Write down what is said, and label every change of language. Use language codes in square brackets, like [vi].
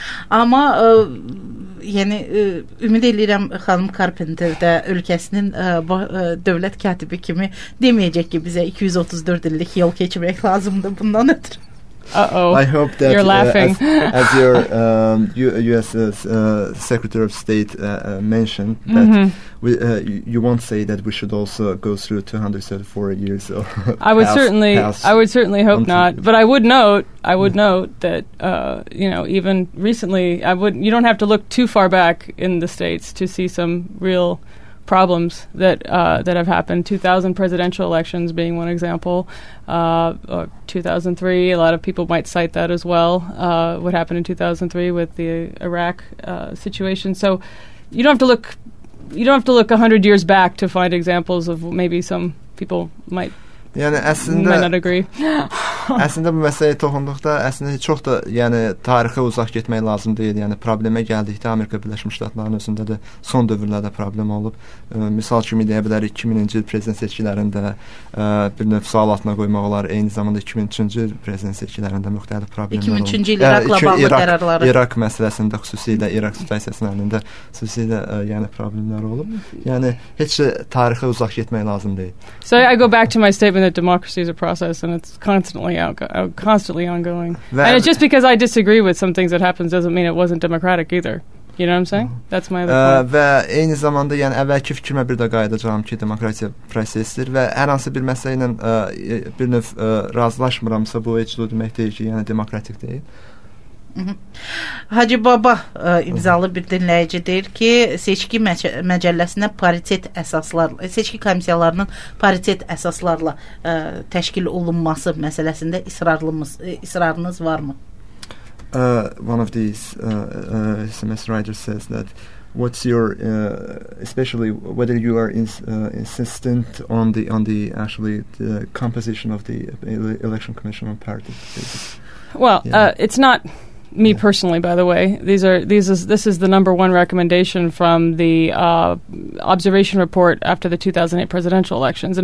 [az] Amma ümid edirəm xanım Carpenter də ölkəsinin dövlət katibi kimi deməyəcək ki, bizə 234 illik yol keçmək lazımdır bundan ötürü. Uh-oh, [en] I hope that you're laughing. As your U.S. Secretary of State mentioned, that you won't say that we should also go through 234 years. Or I would certainly hope not. But I would note that even recently, you don't have to look too far back in the States to see some real problems that that have happened. 2000 presidential elections being one example. 2003, a lot of people might cite that as well, what happened in 2003 with the Iraq situation. So you don't have to look 100 years back to find examples of maybe some people might [az] Yani aslında, [en] might not agree. [az] Aslında bu məsələyə toxunduqda aslında çox da yani tarixə uzaq getmək lazım deyil. Yani problemə gəldikdə Amerika Birləşmiş Ştatlarının özündə də son dövrlərdə problem olub. Misal kimi deyə bilərik 2000-ci il prezident seçkilərində bir növ sualatına qoymaq olar. Eyni zamanda 2003-cü il prezident seçkilərində müxtəlif problemlər olub. 2003-cü il İraqla bağlı qərarları. İraq məsələsində xüsusilə İraq situasiyasının əlində xüsusilə yani problemlər olub. Yani heç tarixə uzaq getmək lazım deyil. [en] So I go back to my statement that democracy is a process and it's constantly ongoing. And it's just because I disagree with some things that happens doesn't mean it wasn't democratic either. You know what I'm saying? That's my other point. [az] Və eyni zamanda yəni əvvəlki fikrimə bir də qayıdacağam ki, demokratiya prosesdir və hər hansı bir məsələ ilə bir növ razılaşmıramsa bu heç o demək deyil ki, yəni demokratik deyil. Hacı Baba imzalı bir dinləyici deyir ki, seçki məcəlləsinə paritet əsaslarla, seçki komissiyalarının paritet əsaslarla təşkil olunması məsələsində israrınız varmı? [en] One of these SMS writers says that what's your especially whether you are insistent on the actually the composition of the election commission on parity. Well, yeah. It's not me personally, by the way. This is the number one recommendation from the observation report after the 2008 presidential elections.